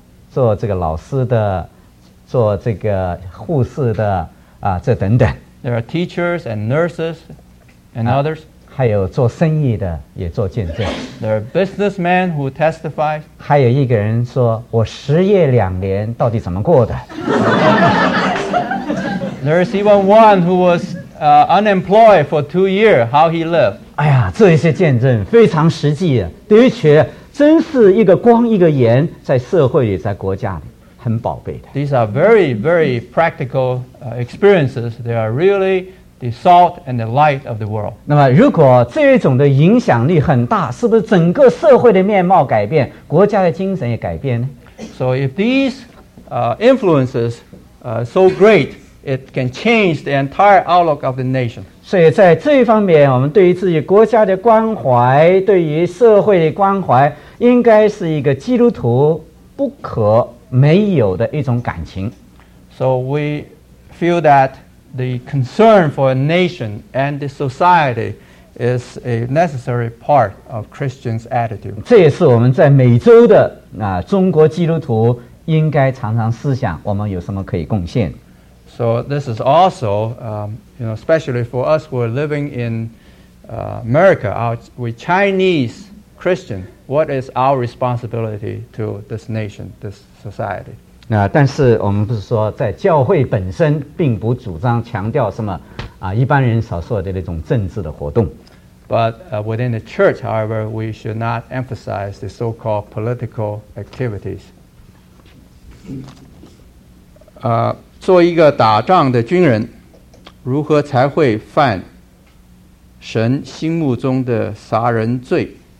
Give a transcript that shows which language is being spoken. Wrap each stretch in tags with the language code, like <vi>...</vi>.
<zh>做这个老师的，做这个护士的，这等等。</zh> <en>There are teachers and nurses and others.</en> <zh>还有做生意的也做见证。</zh> <en>There are businessmen who testify.</en> <zh>还有一个人说，我失业2年，到底怎么过的？</zh> <en>There is even one who was unemployed for 2 years. How he lived?</en> <zh>哎呀，这些见证非常实际啊，的确，真是一个光一个盐，在社会里，在国家里。很宝贝的。</zh> <en>These are very, very practical experiences. They are really the salt and the light of the world.</en> <zh>那么，如果这种的影响力很大，是不是整个社会的面貌改变，国家的精神也改变呢？</zh> <en>So if these influences so great, it can change the entire outlook of the nation.</en> <zh>所以在这一方面，我们对于自己国家的关怀，对于社会的关怀，应该是一个基督徒不可没有的一种感情。</zh> <en>So we feel that the concern for a nation and the society is a necessary part of Christians' attitude.</en> <zh>这也是我们在每周的啊中国基督徒应该常常思想，我们有什么可以贡献。</zh> <en>So this is also, you know, especially for us who are living in America, we Chinese Christian, what is our responsibility to this nation, this society?</en> <zh>那但是我们不是说在教会本身并不主张强调什么啊一般人所说的那种政治的活动。</zh> <en>But within the church, however, we should not emphasize the so-called political activities.</en> <zh>做一个打仗的军人，如何才会犯神心目中的杀人罪？</zh>